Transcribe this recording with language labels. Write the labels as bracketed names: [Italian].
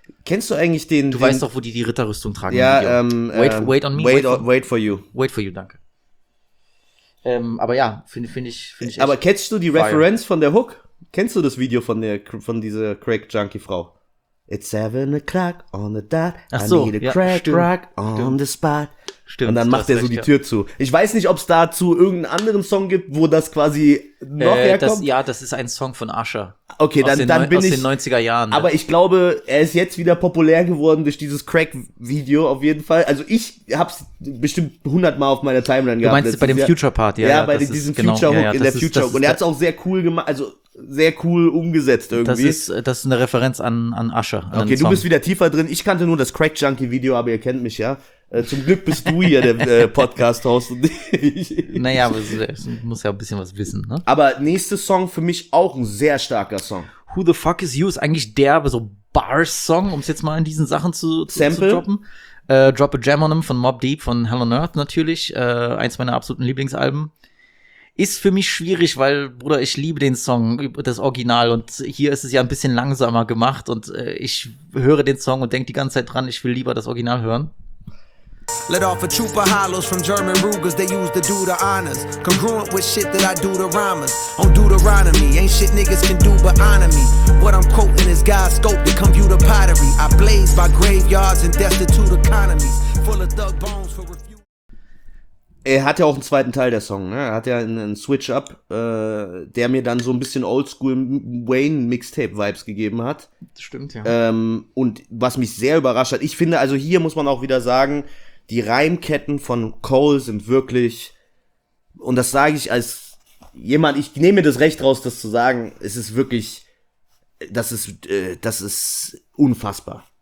[German] Kennst du eigentlich den? Du weißt doch, wo die Ritterrüstung tragen. Ja, [English] Wait for you. Wait for you, danke. Aber ja, finde ich [German] echt. Aber catchst du die Reference von der Hook? Kennst du das Video von dieser Crack Junkie Frau? [English] It's 7 o'clock on the dot. [German] Ach so, [English] I need a crack drug on the spot. [German] Stimmt. Und dann macht er so die Tür zu. Ich weiß nicht, ob es dazu irgendeinen anderen Song gibt, wo das quasi noch herkommt. Das ist ein Song von Usher. Okay, dann bin ich aus den 90er Jahren. Aber ich glaube, er ist jetzt wieder populär geworden durch dieses Crack-Video auf jeden Fall. Also ich hab's bestimmt 100 Mal auf meiner Timeline gehabt. Du meinst bei dem Future-Part, ja. Ja, bei diesem Future-Hook in der Future-Hook. Und er hat's auch sehr cool gemacht, also sehr cool umgesetzt irgendwie. Das ist eine Referenz an Usher. Okay, du bist wieder tiefer drin. Ich kannte nur das Crack-Junkie-Video, aber ihr kennt mich, ja. Zum Glück bist du hier der Podcast-Host. Naja, aber ich muss ja ein bisschen was wissen. Ne? Aber nächster Song für mich auch ein sehr starker Song. Who the Fuck Is You ist eigentlich der so Bars-Song, um es jetzt mal in diesen Sachen zu droppen. Drop a Jam on Him von Mobb Deep, von Hell on Earth natürlich. Eins meiner absoluten Lieblingsalben. Ist für mich schwierig, weil, Bruder, ich liebe den Song, das Original. Und hier ist es ja ein bisschen langsamer gemacht. Und ich höre den Song und denke die ganze Zeit dran, ich will lieber das Original hören. [English] Let off a troop of hollows from German Rugers, they used to do the honors. Congruent with shit that I do to rhymers. On Deuteronomy, ain't shit niggas can do but honor me. What I'm quoting is God's scope to compute a pottery. I blaze by graveyards and destitute economies. Full of thug bones for refuse. [German] Er hat ja auch einen zweiten Teil der Song, ne? Er hat ja einen Switch-Up, der mir dann so ein bisschen Oldschool Wayne-Mixtape-Vibes gegeben hat. Das stimmt, ja. Und was mich sehr überrascht hat, ich finde, also hier muss man auch wieder sagen, die Reimketten von Cole sind wirklich, und das sage ich als jemand, ich nehme mir das Recht raus, das zu sagen, es ist wirklich, das ist unfassbar.